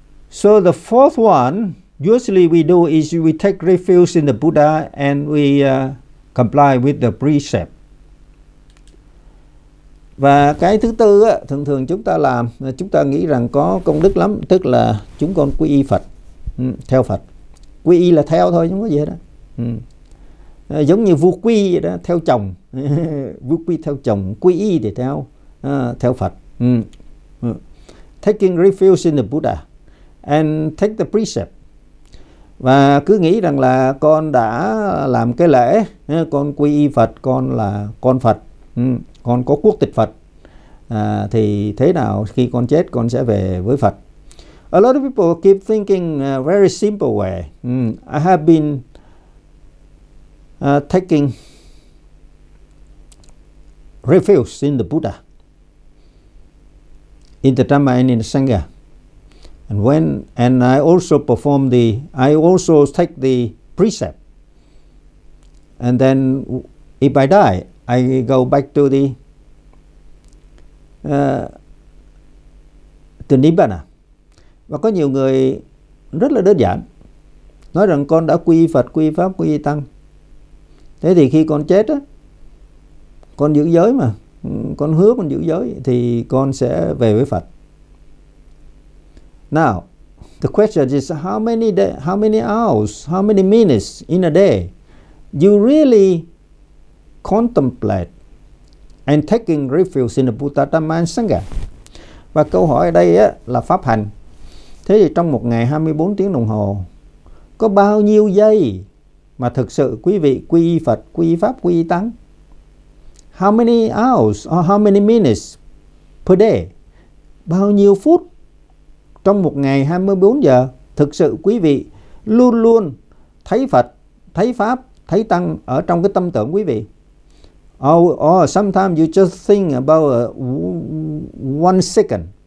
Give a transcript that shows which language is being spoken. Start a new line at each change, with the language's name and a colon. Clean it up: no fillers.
English: So the fourth one, usually we do is we take refuge in the Buddha and we comply with the precept.
Vietnamese: Và cái thứ tư á, thường thường chúng ta làm, chúng ta nghĩ rằng có công đức lắm, tức là chúng con quy y Phật, theo Phật. Quy y là theo thôi, không có gì hết đó. Giống như vua quy đó, theo chồng. Vua quy theo chồng, quy y thì theo, theo Phật.
English: Taking refuge in the Buddha and take the precept.
Vietnamese: Và cứ nghĩ rằng là con đã làm cái lễ, con quy y Phật, con là con Phật, con có quốc tịch Phật, thì thế nào khi con chết con sẽ về với Phật.
English: A lot of people keep thinking very simple way. I have been taking refuge in the Buddha, in the Dhamma and in the Sangha. And when and I also perform the I also take the precept. And then if I die, I go back to the Nibbana.
Vietnamese: Và có nhiều người rất là đơn giản nói rằng con đã quy Phật, quy Pháp, quy Tăng. Thế thì khi con chết á, con giữ giới mà, con hứa con giữ giới thì con sẽ về với Phật.
English: Now, the question is how many minutes in a day you really contemplate and taking refuge in the Buddha, Dhamma and Sangha.
Vietnamese: Và câu hỏi ở đây á, là pháp hành. Thế thì trong một ngày 24 tiếng đồng hồ, có bao nhiêu giây mà thực sự quý vị quy y Phật, quy y Pháp, quy y Tăng?
English: How many hours or how many minutes per day?
Vietnamese: Bao nhiêu phút trong một ngày 24 giờ thực sự quý vị luôn luôn thấy Phật, thấy Pháp, thấy Tăng ở trong cái tâm tưởng quý vị?
English: Or sometimes you just think about one second.